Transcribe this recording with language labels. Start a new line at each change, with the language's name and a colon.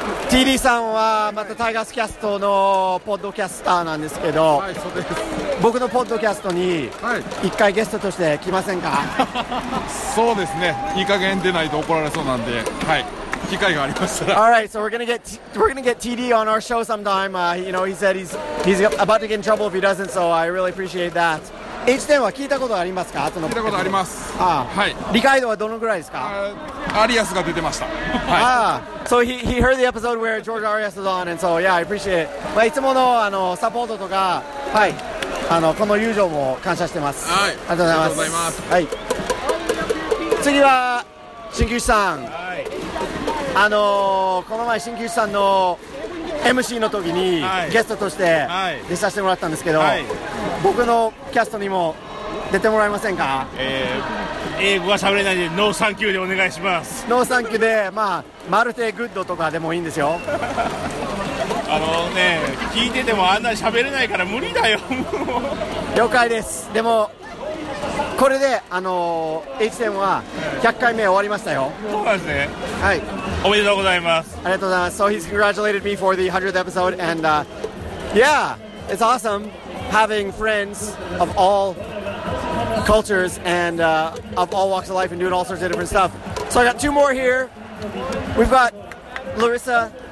Japanese: TD-san はまたタイガースキャストのポッドキャスターなんですけど、僕のポッドキャストに一回ゲストとして来ませんか？そうですね。いい加減出ないと怒られそうなんで、はい。
English: All right, so we're gonna get TD on our show sometime. You know, he said he's about to get in trouble if he doesn't. So I really appreciate that.
Japanese: H10 は聞いたことありますか？聞いたことあります。はい。理解度はどのぐらいですか？アリアスが出てました。
English: So he heard the episode where George Arias was on, and so yeah, I appreciate it.
Japanese: まあいつものあのサポートとかはいあのこの友情も感謝してます。はい。ありがとうございます。はい。次は新球さん。この前新球さんの MC の時にゲストとして出させてもらったんですけど、はい、僕のキャストにも出てもらえませんか？英語は喋れないのでノーサンキューでお願いします。ノーサンキューで、まあ、マルテグッドとかでもいいんですよ。ね、聞いててもあんなに喋れないから無理だよ。了解です。でもこれで、H10 は100回目終わりましたよ。そうなんですね。はい。おめでとうございます。ありがとうございます。
English: So he's congratulated me for the 100th episode, and yeah, it's awesome having friends of all cultures and of all walks of life and doing all sorts of different stuff. So I got two more here. We've got Larissa